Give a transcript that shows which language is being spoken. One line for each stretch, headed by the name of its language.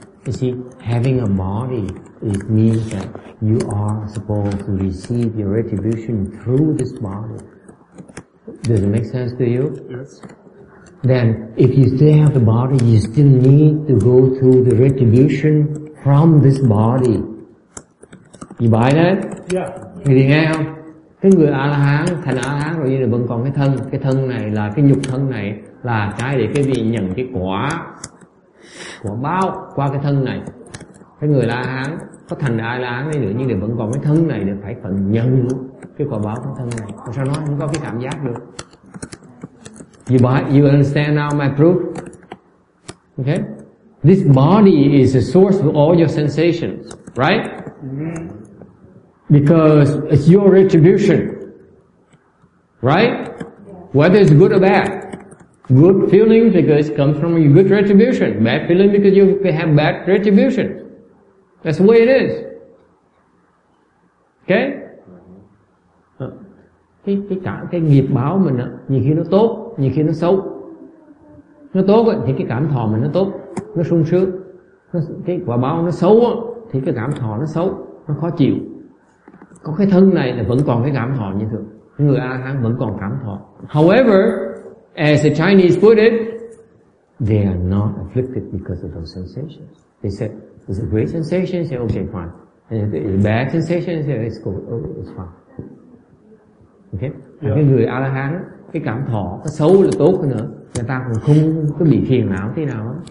English: You see, having a body, it means that you are supposed to receive your retribution through this body. Does it make sense to you? Yes. Then, if you still have the body, you still need to go through the retribution from this body. You buy that? Yeah.
Vietnamese: Người đi nghe không? Cái người A-la-hán, thành A-la-hán rồi như là vẫn còn cái thân này là cái nhục thân này là cái để cái vị nhận cái quả báo qua cái thân này. Cái người A-la-hán có thành A-la-hán đấy nữa nhưng mà vẫn còn cái thân này để phải phần nhận cái quả báo của thân này. Còn sao nó không có cái cảm giác được?
English: You understand now my proof? Okay? This body is the source of all your sensations, right? Mm-hmm. Because it's your retribution, right? Yeah. Whether it's good or bad. Good feeling because it comes from your good retribution. Bad feeling because you have bad retribution. That's the way it is. Okay?
Vietnamese: Cái nghiệp báo mình á, nhiều khi nó tốt, nhiều khi nó xấu. Nó tốt á, thì cái cảm thọ mình nó tốt, nó sung sướng. Cái quả báo nó xấu á, thì cái cảm thọ nó xấu, nó khó chịu. Có cái thân này là vẫn còn cái cảm thọ như thường. Người A-la-hán vẫn còn cảm thọ.
English: However, as the Chinese put it, they are not afflicted because of those sensations. They said, it's a great sensation, they say, okay, fine. And if it's a bad sensation, they say, it's cool, oh, it's fine. Okay. Yeah.
Vietnamese: Cái người A-la-hán, cái cảm thọ nó xấu là tốt hơn nữa. Người ta còn không có bị phiền não thế nào đó.